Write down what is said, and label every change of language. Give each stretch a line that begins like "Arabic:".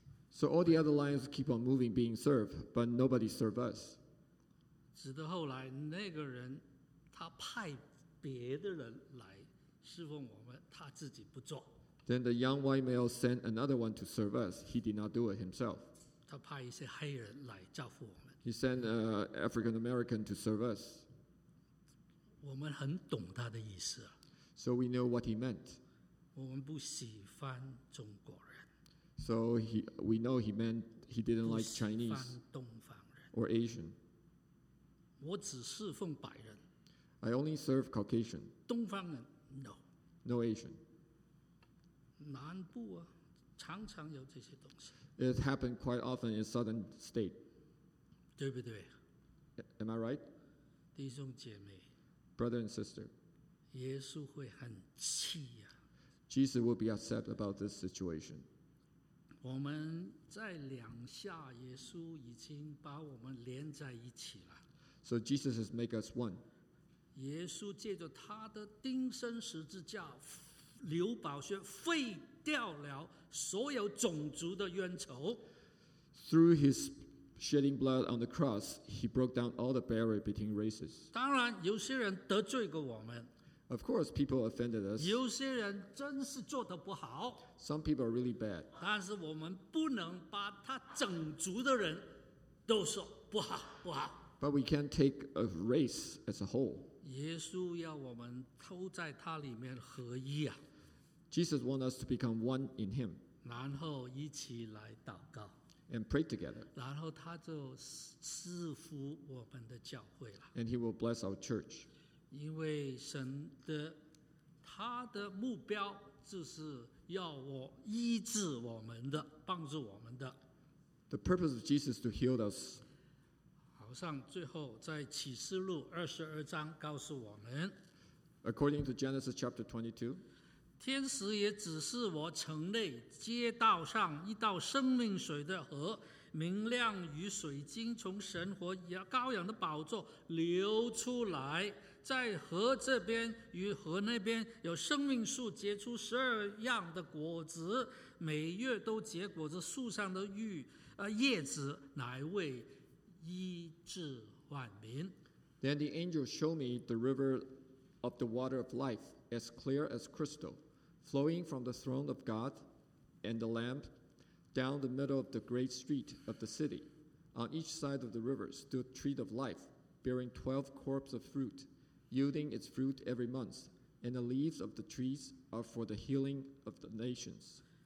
English: So all the other lines keep on moving, being served, but nobody served us.
Chinese: 直到后来，那个人他派别的人来侍奉我们，他自己不做。
English: Then the young white male sent another one to serve us. He did not do it himself.
Chinese: 他派一些黑人来照顾我们。
English: He sent an African American to serve us.
Chinese: 我们很懂他的意思。
English: So we know what he meant.
Chinese: 我们不喜欢中国人。
English: So we know he meant he didn't like Chinese or Asian.
Chinese: 我只侍奉白人。
English: I only serve Caucasian.
Chinese: 东方人 ，
English: no. No Asian.
Chinese: 南部啊，常常有这些东西。
English: It happened quite often in southern state.
Chinese: 对不对
English: ？Am I right?
Chinese: 弟兄姐妹
English: ，brother and sister.
Chinese: 耶稣会很气呀。
English: Jesus will be upset about this situation.
Chinese: 我们在两下，耶稣已经把我们连在一起了。
English: So Jesus has made us one.
Chinese: 耶稣借着他的钉身十字架流宝血，废掉了所有种族的冤仇。
English: Through his shedding blood on the cross, he broke down all the barrier between races.
Chinese: 当然，有些人得罪过我们。
English: Of course, people offended us.
Chinese: 有些人真是做得不好。
English: Some people are really bad.
Chinese: 但是我们不能把他整族的人都说不好不好。
English: But we can't take a race as a whole.
Chinese: 耶稣要我们都在他里面合一啊。
English: Jesus wants us to become one in him.
Chinese: 然后一起来祷告。
English: And pray together.
Chinese: 然后他就赐福我们的教会了。
English: And he will bless our church.
Chinese: 因为神的他的目标就是要我医治我们的帮助我们的
English: The purpose of Jesus to heal us
Chinese: 好像最后在启示录二十二章告诉我们
English: According to Genesis chapter 22
Chinese: 天使也指示我城内街道上一道生命水的河明亮与水晶从神和羔羊的宝座流出来在河这边与河那边有生命树结出十二样的果子每月都结果子树上的叶子乃为医治万民
English: Then the angel showed me the river of the water of life as clear as crystal flowing from the throne of God and the Lamb down the middle of the great street of the city on each side of the river stood trees of life bearing 12 crops of fruityielding its fruit every month, and the leaves of the trees are for the healing of the nations.